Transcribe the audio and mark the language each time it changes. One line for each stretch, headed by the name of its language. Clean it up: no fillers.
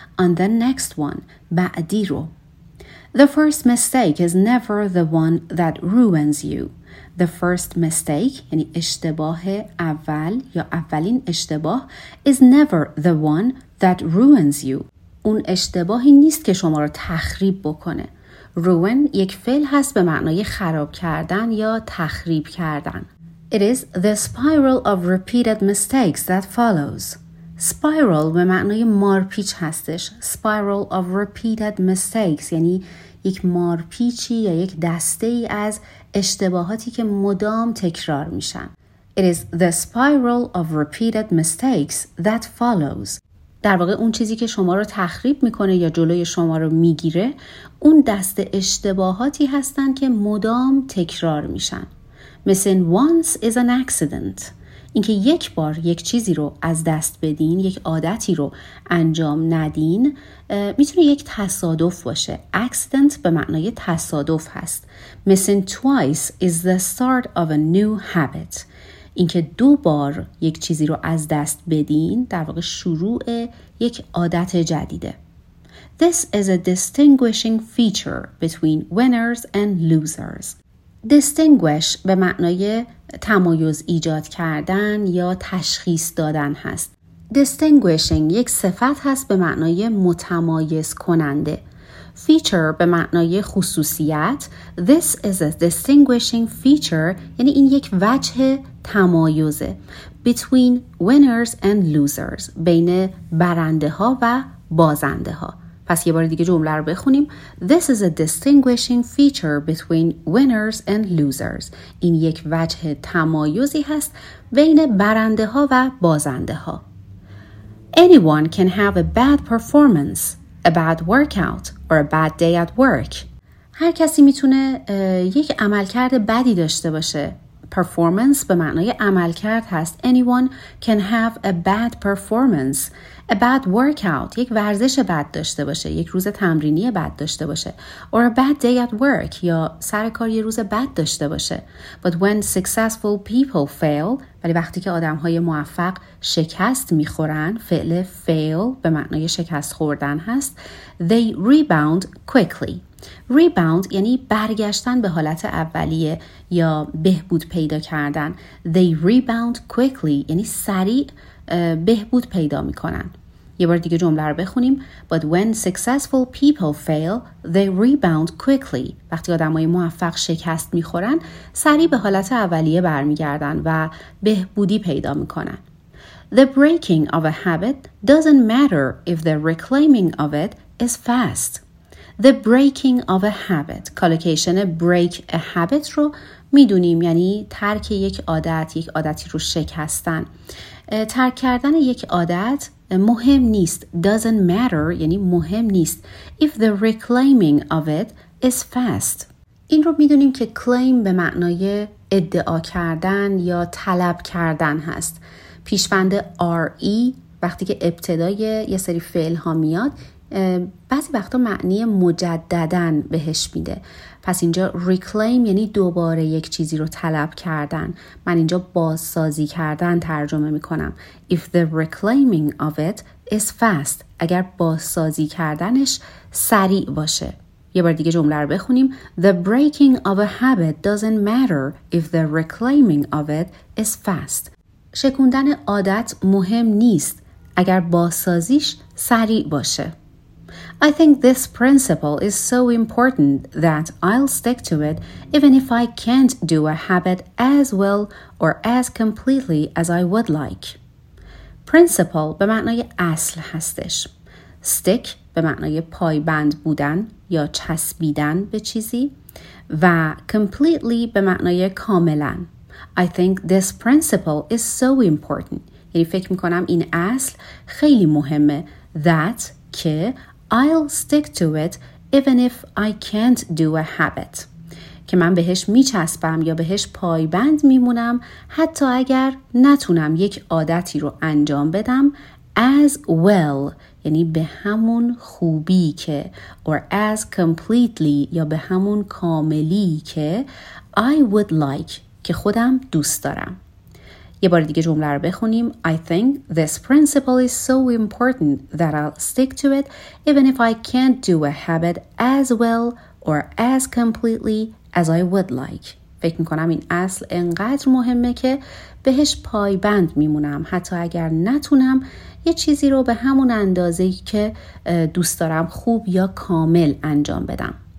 English: On the next one
Persian: بعدی رو.
English: The first mistake is never the one that ruins you. The first mistake
Persian: یعنی اشتباه اول یا اولین اشتباه
English: is never the one that ruins you.
Persian: اون اشتباهی نیست که شما رو تخریب بکنه. Ruin یک فعل هست به معنای خراب کردن یا تخریب کردن.
English: It is the spiral of repeated mistakes that follows.
Persian: Spiral به معنای مارپیچ هستش.
English: Spiral of repeated mistakes
Persian: یعنی یک مارپیچی یا یک دسته ای از اشتباهاتی که مدام تکرار میشن.
English: It is the spiral of repeated mistakes that follows.
Persian: در واقع اون چیزی که شما رو تخریب میکنه یا جلوی شما رو میگیره اون دسته اشتباهاتی هستن که مدام تکرار میشن.
English: Missing once is an accident.
Persian: اینکه یک بار یک چیزی رو از دست بدین، یک عادتی رو انجام ندین، میتونه یک تصادف باشه. Accident به معنای تصادف هست.
English: Missing twice is the start of a new habit.
Persian: اینکه دو بار یک چیزی رو از دست بدین، در واقع شروع یک عادت جدیده.
English: This is a distinguishing feature between winners and losers.
Persian: Distinguish به معنای تمایز ایجاد کردن یا تشخیص دادن هست. Distinguishing یک صفت هست به معنای متمایز کننده. Feature به معنای خصوصیت.
English: This is a distinguishing feature
Persian: یعنی این یک وجه تمایزه.
English: Between winners and losers
Persian: بین برنده ها و بازنده ها. پس یه بار دیگه جمله رو بخونیم.
English: This is a distinguishing feature between winners and losers.
Persian: این یک وجه تمایزی هست بین برنده ها و بازنده ها.
English: Anyone can have a bad performance, a bad workout, or a bad day at work.
Persian: هر کسی میتونه یک عملکرد بدی داشته باشه. performance به معنای عملکرد هست.
English: Anyone can have a bad performance. A bad workout.
Persian: یک ورزش بد داشته باشه. یک روز تمرینی بد داشته باشه.
English: Or a bad day at work.
Persian: یا سر کار یه روز بد داشته باشه.
English: But when successful people fail.
Persian: ولی وقتی که آدم های موفق شکست میخورن. فعل fail به معنای شکست خوردن هست.
English: They rebound quickly.
Persian: Rebound یعنی برگشتن به حالت اولیه یا بهبود پیدا کردن.
English: They rebound quickly
Persian: یعنی سریع بهبود پیدا می کنن. یه بار دیگه جمله رو بخونیم.
English: But when successful people fail, they rebound quickly.
Persian: وقتی آدم های موفق شکست می خورن سریع به حالت اولیه برمی گردن و بهبودی پیدا می کنن.
English: The breaking of a habit doesn't matter if the reclaiming of it is fast. The breaking of a habit.
Persian: کالوکیشن
English: break a habit
Persian: رو میدونیم، یعنی ترک یک عادت، یک عادتی رو شکستن. ترک کردن یک عادت مهم نیست.
English: Doesn't matter
Persian: یعنی مهم نیست.
English: If the reclaiming of it is fast.
Persian: این رو میدونیم که claim به معنای ادعا کردن یا طلب کردن هست. پیشوند re وقتی که ابتدای یه سری فعل ها میاد بعضی وقتا معنی مجددن بهش میده. پس اینجا reclaim یعنی دوباره یک چیزی رو طلب کردن. من اینجا بازسازی کردن ترجمه میکنم.
English: If the reclaiming of it is fast.
Persian: اگر بازسازی کردنش سریع باشه. یه بار دیگه جمله رو بخونیم.
English: The breaking of a habit doesn't matter if the reclaiming of it is fast.
Persian: شکوندن عادت مهم نیست اگر بازسازیش سریع باشه.
English: I think this principle is so important that I'll stick to it even if I can't do a habit as well or as completely as I would like.
Persian: Principle به معنای اصل هستش. Stick به معنای پایبند بودن یا چسبیدن به چیزی. و completely به معنای کاملاً.
English: I think this principle is so important.
Persian: یعنی فکر میکنم این اصل خیلی مهمه.
English: That که I'll stick to it even if I can't do a habit.
Persian: که من بهش میچسبم یا بهش پایبند میمونم حتی اگر نتونم یک عادتی رو انجام بدم
English: as well
Persian: یعنی به همون خوبی که
English: or as completely
Persian: یا به همون کاملی که
English: I would like
Persian: که خودم دوست دارم. یه بار دیگه جمله رو بخونیم.
English: I think this principle is so important that I'll stick to it even if I can't do a habit as well or as completely as I would like.
Persian: فکر میکنم این اصل انقدر مهمه که بهش پایبند میمونم حتی اگر نتونم یه چیزی رو به همون اندازه که دوست دارم خوب یا کامل انجام بدم.